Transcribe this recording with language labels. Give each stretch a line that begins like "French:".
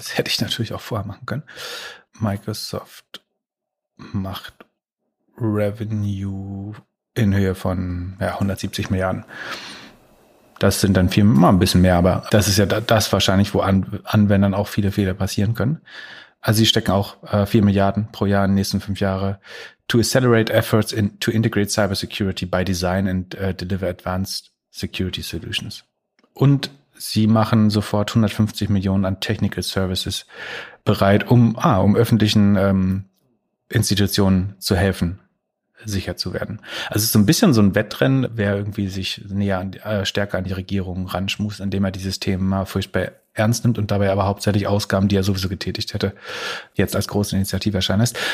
German: Das hätte ich natürlich auch vorher machen können. Microsoft macht Revenue in Höhe von 170 Milliarden. Das sind dann viel, mal ein bisschen mehr, aber das ist ja das wahrscheinlich, wo Anwendern auch viele Fehler passieren können. Also sie stecken auch 4 Milliarden pro Jahr in den nächsten 5 Jahre.
English: To accelerate efforts in to integrate cybersecurity by design and deliver advanced security solutions.
German: Und sie machen sofort 150 Millionen an Technical Services bereit, um öffentlichen Institutionen zu helfen, sicher zu werden. Also es ist so ein bisschen so ein Wettrennen, wer irgendwie sich näher stärker an die Regierung ranschmust, indem er dieses Thema furchtbar ernst nimmt und dabei aber hauptsächlich Ausgaben, die er sowieso getätigt hätte, jetzt als große Initiative erscheinen lässt.